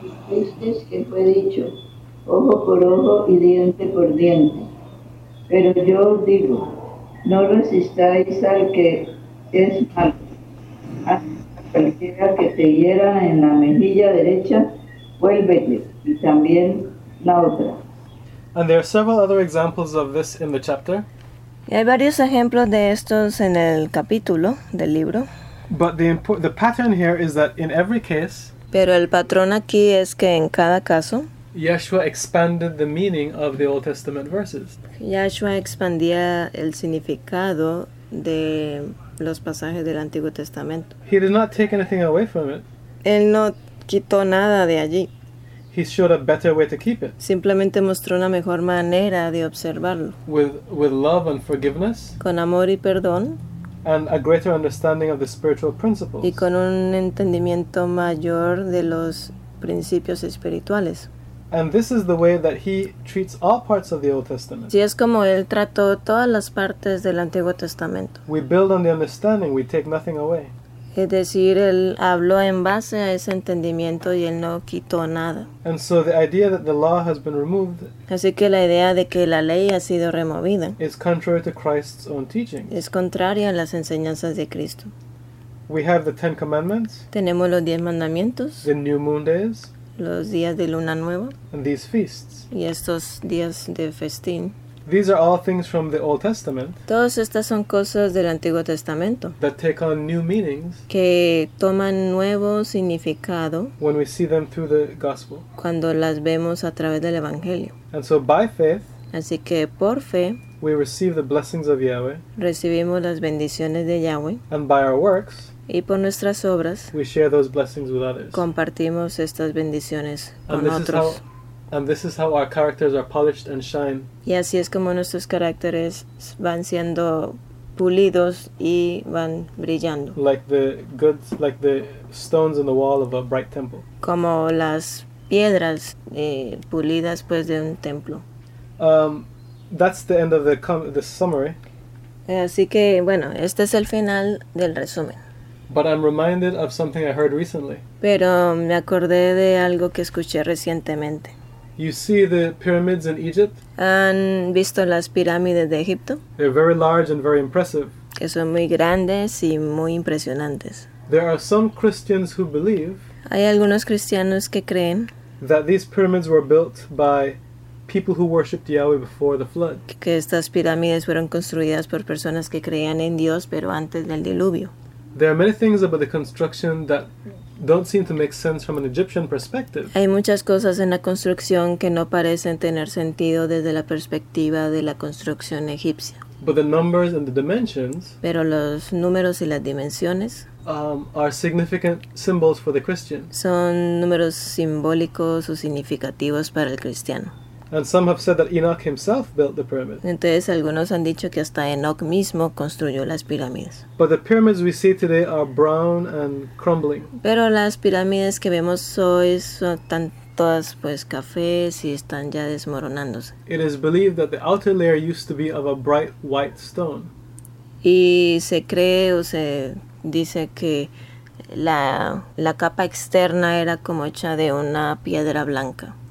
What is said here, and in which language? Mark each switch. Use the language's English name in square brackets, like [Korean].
[Spanish] Este es que fue dicho, ojo por ojo y diente por diente. Pero yo os digo, no resistáis al que es malo. A cualquiera que te hiera en la mejilla derecha, vuélvete, y también la otra. [English] And there are several other examples of this in the chapter. [Spanish] Y hay varios ejemplos de estos en el capítulo del libro. [English] But the pattern here is that in every case, [Spanish] pero el patrón aquí es que en cada caso, [English] Yeshua expanded the meaning of the Old Testament verses. [Spanish] Yeshua expandía el significado de los pasajes del Antiguo Testamento. [English] He did not take anything away from it. [Spanish] Él no quitó nada de allí. [English] He showed a better way to keep it. [Spanish] Simplemente mostró una mejor manera de observarlo. [English] With love and forgiveness. [Spanish] Con amor y perdón. [English] And a greater understanding of the spiritual principles. [Spanish] Y con un entendimiento mayor de los principios espirituales. [English] And this is the way that he treats all parts of the Old Testament. [Spanish] Sí, es como él trató todas las partes del Antiguo Testamento. [English] We build on the understanding, we take nothing away. [Spanish] Es decir, él habló en base a ese entendimiento y él no quitó nada. [English] And so the idea that the law has been removed, [Spanish] así que la idea de que la ley ha sido removida, [English] is contrary to Christ's own teachings. [Spanish] Es contraria a las enseñanzas de Cristo. [English] We have the Ten Commandments. [Spanish] Tenemos los 10 mandamientos. [English] The New Moon Days. [Spanish] Los días de luna nueva. [English] And these feasts. [Spanish] Y estos días de festín. [English] These are all things from the Old Testament. [Spanish] Todas estas son cosas del Antiguo Testamento. [English] That take on new meanings. [Spanish] Que toman nuevo significado. [English] When we see them through the gospel. [Spanish] Cuando las vemos a través del Evangelio. [English] And so by faith. [Spanish] Así que por fe. [English] We receive the blessings of Yahweh. [Spanish] Recibimos las bendiciones de Yahweh. [English] And by our works. [Spanish] Y por nuestras obras. [English] We share those blessings with others. [Spanish] Compartimos estas bendiciones [English] and [Spanish] con otros. [English] And this is how our characters are polished and shine. [Spanish] Y así es como nuestros caracteres van siendo pulidos y van brillando. [English] Like the stones in the wall of a bright temple. [Spanish] Como las piedras pulidas pues de un templo. [English] That's the end of the summary. [Spanish] Así que bueno, este es el final del resumen. [English] But I'm reminded of something I heard recently. [Spanish] Pero me acordé de algo que escuché recientemente. [English] You see the pyramids in Egypt? [Spanish] ¿Han visto las pirámides de Egipto? [English] They're very large and very impressive. [Spanish] Que son muy grandes y muy impresionantes. [English] There are some Christians who believe. [Spanish] Hay algunos cristianos que creen. [English] That these pyramids were built by people who worshipped Yahweh before the flood. [Spanish] Que estas pirámides fueron construidas por personas que creían en Dios pero antes del diluvio. [English] There are many things about the construction that don't seem to make sense from an Egyptian perspective. [Spanish] Hay muchas cosas en la construcción que no parecen tener sentido desde la perspectiva de la construcción egipcia. [English] But the numbers and the dimensions. [Spanish] Pero los números y las dimensiones. [English] Are significant symbols for the Christian. [Spanish] Son números simbólicos o significativos para el cristiano. [English] And some have said that Enoch himself built the pyramid. [Spanish] Entonces algunos han dicho que hasta Enoch mismo construyó las pirámides. [English] But the pyramids we see today are brown and crumbling. [Spanish] Pero las pirámides que vemos hoy son tan todas pues cafés y están ya desmoronándose. [English] It is believed that the outer layer used to be of a bright white stone. [Spanish] Y se cree o se dice que la capa externa era como hecha de una piedra blanca.